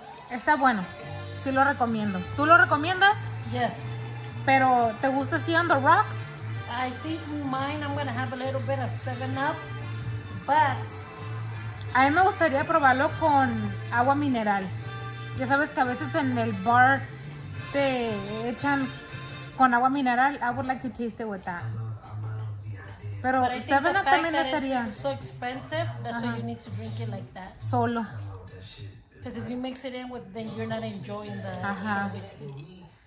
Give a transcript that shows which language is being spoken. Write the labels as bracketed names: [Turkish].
[Spanish] Está bueno. Sí lo recomiendo. ¿Tú lo recomiendas? [English] Yes. [Spanish] Pero, ¿te gusta estar [English] on the rocks? I think in mine I'm gonna have a little bit of 7-Up, but... [Spanish] A mí me gustaría probarlo con agua mineral. Ya sabes que a veces en el bar te echan con agua mineral. [English] I would like to taste it with that. [Spanish] Pero 7-Up también estaría... [English] It's so expensive, that's why you need to drink it like that. [Spanish] Solo. [English] Because if you mix it in, with, then you're not enjoying the whiskey.